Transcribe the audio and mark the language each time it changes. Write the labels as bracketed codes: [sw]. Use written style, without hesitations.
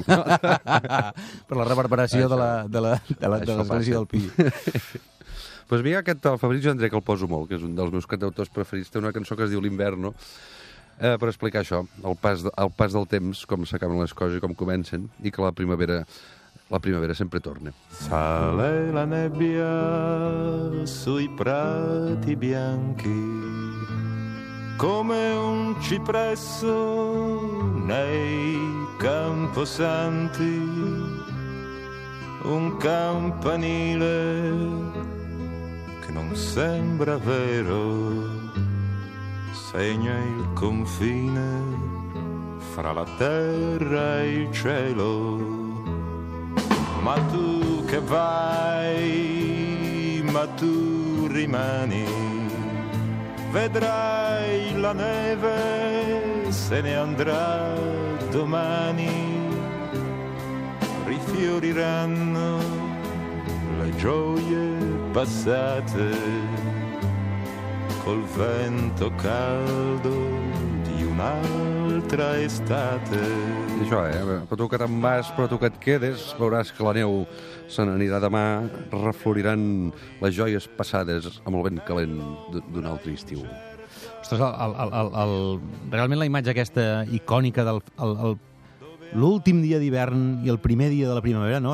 [ca] Per la reverberació de l'església del Pi. Doncs [es] pues mira, [ca] aquest el Fabrizio André, que el poso molt, que és un dels meus cantautors preferits, té una cançó que es diu L'Inverno, per explicar això, el pas del temps, com s'acaben les coses i com comencen, i que la primavera sempre torna. [it] Sale la nebbia sui prati bianchi come un cipresso nei camposanti, un campanile che non sembra vero segna il confine fra la terra e il cielo. Ma tu che vai, ma tu rimani, vedrai la neve, se ne andrà domani. Rifioriranno le gioie passate col vento caldo di un'altra estate. [ca] I això, però tu que te'n vas, però tu que et quedes, veuràs que la neu se n'anirà demà, refloriran les joies passades amb el vent calent d'un altre estiu. Ostres, realment la imatge aquesta icònica del l'últim dia d'hivern i el primer dia de la primavera, no?